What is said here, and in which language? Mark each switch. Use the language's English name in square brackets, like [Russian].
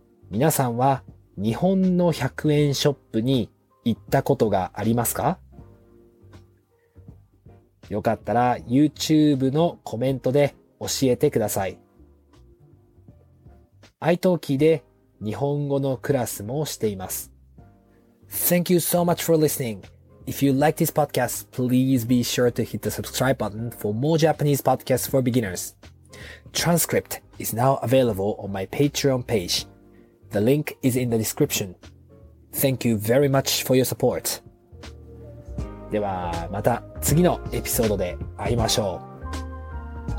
[Japanese] 皆さんは日本の100円ショップに行ったことがありますか？よかったら YouTube のコメントで教えてください。 iTalki で日本語のクラスもしています。 [English] Thank you so much for listening. If you like this podcast, please be sure to hit the subscribe button for more Japanese podcasts for beginners. Transcript is now available on my Patreon page. The link is in the description. Thank you very much for your support. [Japanese] ではまた次のエピソードで会いましょう。